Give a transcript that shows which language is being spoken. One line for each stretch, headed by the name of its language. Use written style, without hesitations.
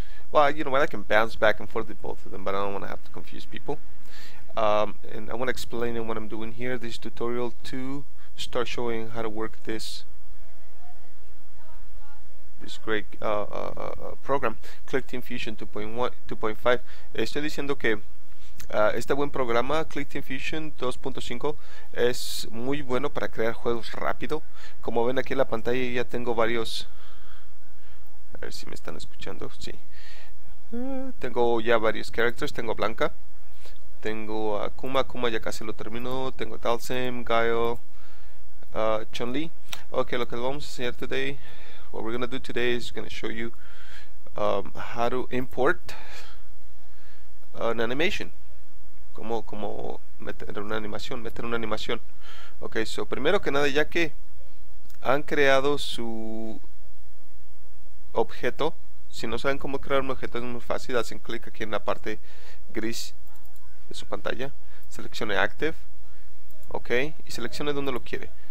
English: Well, you know what, I can bounce back and forth with both of them, but I don't want to have to confuse people. And I want to explain what I'm doing here, this tutorial, to start showing how to work this great program, ClickTeam Fusion 2.1, 2.5.
Spanish: Estoy diciendo que este buen programa, ClickTeam Fusion 2.5, es muy bueno para crear juegos rápido. Como ven aquí en la pantalla, ya tengo varios. A ver si me están escuchando. Sí. Tengo ya varios characters. Tengo Blanca. Tengo a Kuma. Kuma ya casi lo termino. Tengo Dalsim, Guile, Chun-Li. Ok, lo que vamos a enseñar today.
English: What we're going to do today is going to show you how to import an animation.
Spanish: Como meter una animación. Ok, so primero que nada, ya que han creado su objeto, si no saben cómo crear un objeto, es muy fácil. Hacen clic aquí en la parte gris de su pantalla, seleccione Active, ok, y seleccione donde lo quiere.